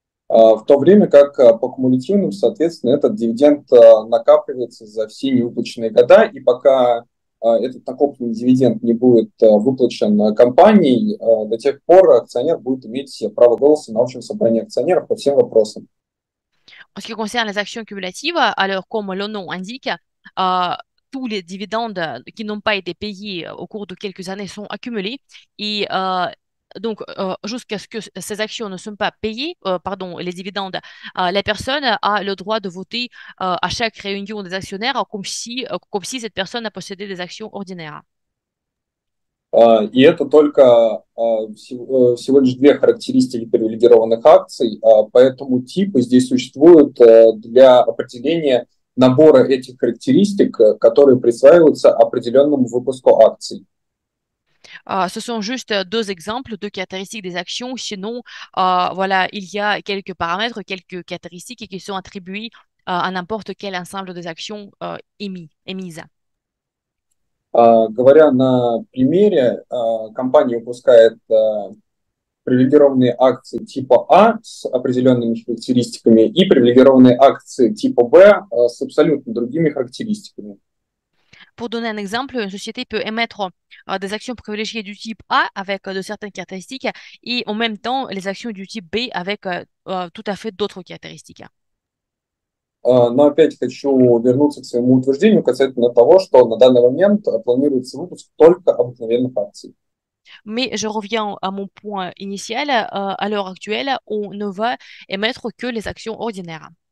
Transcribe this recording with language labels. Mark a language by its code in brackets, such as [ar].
[ru] В то время как по кумулятивным, соответственно, этот дивиденд накапливается за все невыплаченные года, и пока этот накопленный дивиденд не будет выплачен компанией, до тех пор акционер будет иметь право голоса на общем собрании акционеров по всем вопросам. [fr] En ce qui concerne les actions cumulatives, alors comme le nom indique, tous les dividendes qui n'ont pas été payés au cours de quelques années sont accumulés. Et donc, jusqu'à ce que ces actions ne soient pas payées, pardon, les dividendes, la personne a le droit de voter à chaque réunion des actionnaires comme si cette personne a possédé des actions ordinaires. [ru] И это только всего лишь две характеристики привилегированных акций, поэтому типы здесь существуют для определения набора этих характеристик, которые присваиваются определенному выпуску акций. [fr] Ce sont juste deux exemples, deux caractéristiques des actions. Sinon, voilà, il y a quelques paramètres, quelques caractéristiques qui sont attribuées à n'importe quel ensemble des actions émises. [ru] Говоря на примере, компания выпускает привилегированные акции типа А с определенными характеристиками и привилегированные акции типа Б с абсолютно другими характеристиками. [fr] Pour donner un exemple, une société peut émettre des actions privilégiées du type A avec de certaines caractéristiques et en même temps les actions du type B avec tout à fait d'autres caractéristiques. [ru] Но опять хочу вернуться к своему утверждению касательно того, что на данный момент планируется выпуск только обыкновенных акций. [fr] Mais je reviens à мon point initial. À l'heure actuelle, on ne va émettre que les actions ordinaires.